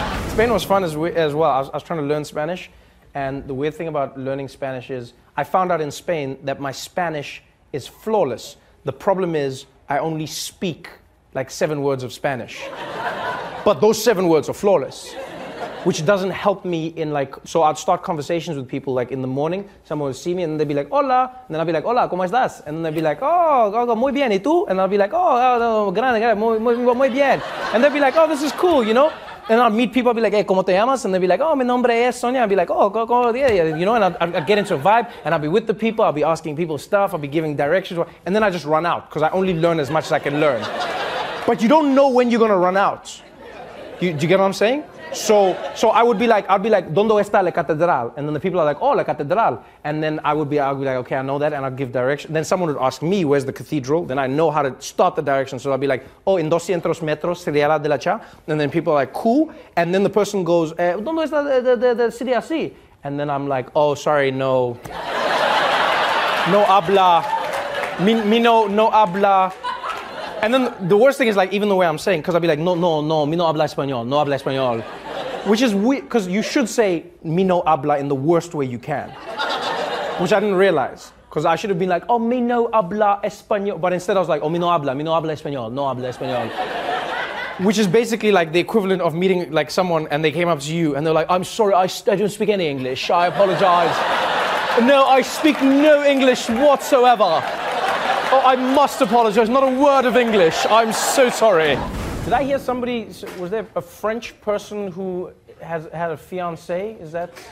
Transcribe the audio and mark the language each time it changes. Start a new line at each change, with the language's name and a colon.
English: Spain was fun as well. I was trying to learn Spanish. And the weird thing about learning Spanish is I found out in Spain that my Spanish is flawless. The problem is I only speak like 7 words of Spanish. But those 7 words are flawless. which doesn't help me in, like, so I'd start conversations with people, like, in the morning, someone would see me, and they'd be like, hola, and then I'd be like,
Spanish: hola, ¿cómo estás?
English: And then they'd be like, oh,
Spanish: muy bien, ¿y tú?
English: And I'd be like, oh,
Spanish: grande, muy bien.
English: And they'd be like, oh, this is cool, you know? And I'd meet people, I'd be like, hey,
Spanish: ¿cómo te llamas?
English: And they'd be like, oh,
Spanish: mi nombre es Sonia.
English: I'd be like, oh,
Spanish: ¿cómo te llamas?
English: You know, and I'd get into a vibe, and I'd be with the people, I'd be asking people stuff, I'd be giving directions, and then I just run out, because I only learn as much as I can learn. But you don't know when you're gonna run out. Do you get what I'm saying? So I'd be like,
Spanish: ¿dónde está la catedral?
English: And then the people are like, oh,
Spanish: la catedral.
English: And then I'd be like, okay, I know that, and I'd give direction. Then someone would ask me, where's the cathedral? Then I know how to start the direction. So I'd be like, oh,
Spanish: en 200 metros sería la de la cha.
English: And then people are like, cool. And then the person goes,
Spanish: ¿dónde está la city así?
English: And then I'm like, oh, sorry, no.
Spanish: No habla. Mi no habla.
English: And then the worst thing is, like, even the way I'm saying, because I'd be like, no,
Spanish: mi no habla español,
English: no habla español. Which is weird, because you should say
Spanish: mi no habla
English: in the worst way you can. Which I didn't realize, because I should have been like, oh,
Spanish: mi no habla español.
English: But instead I was like, oh,
Spanish: mi no habla español,
English: no habla español. Which is basically like the equivalent of meeting, like, someone and they came up to you and they're like, I'm sorry, I don't speak any English, I apologize. No, I speak no English whatsoever. Oh, I must apologize, not a word of English. I'm so sorry. Did I hear somebody, was there a French person who has had a fiance? Is that?